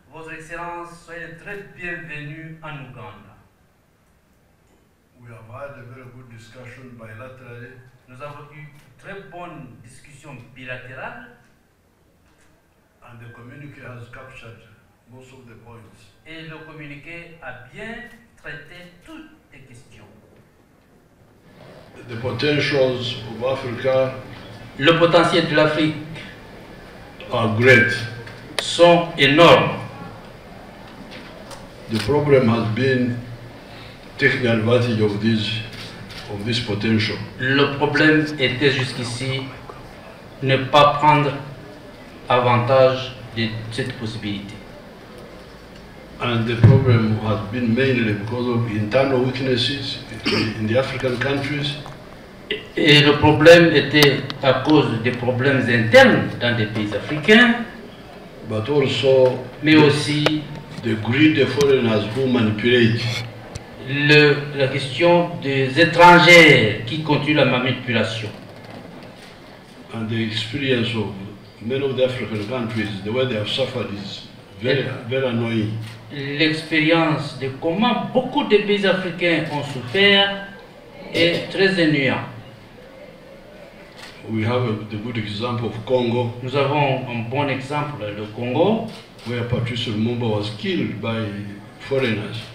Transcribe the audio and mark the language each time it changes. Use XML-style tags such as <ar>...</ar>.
<fr>Votre Excellence, soyez très bienvenue en Uganda.</fr> <en>We have had a very good discussion bilaterally.</en> <fr>Nous avons eu très bonne discussion bilatérale.</fr> <en>And the communique has captured most of the points.</en> <fr>Et le communiqué a bien traité toutes les questions.</fr> <en>The potentials of Africa.</en> <fr>Le potentiel de l'Afrique.</fr> <en>Are great.</en> <fr>Sont énormes.</fr> <en>The problem has been taking advantage of this potential.</en> <fr>Le problème était jusqu'ici ne pas prendre avantage de cette possibilité.</fr> <en>And the problem has been mainly because of internal weaknesses in the African countries.</en> <fr>Et le problème était à cause des problèmes internes dans des pays africains.</fr> <en>But also,</en> <fr>mais aussi</fr> <en>the greed of foreigners who manipulate.</en> <fr>La question des étrangers qui continuent la manipulation.</fr> <en>And the experience of many of the African countries, the way they have suffered is very annoying.</en> <fr>L'expérience de comment beaucoup de pays africains ont souffert est très ennuyant.</fr> <en>We have the good example of Congo.</en> <fr>Nous avons un bon exemple, le Congo,</fr> <en>where Patrice Lumumba was killed by foreigners.</en>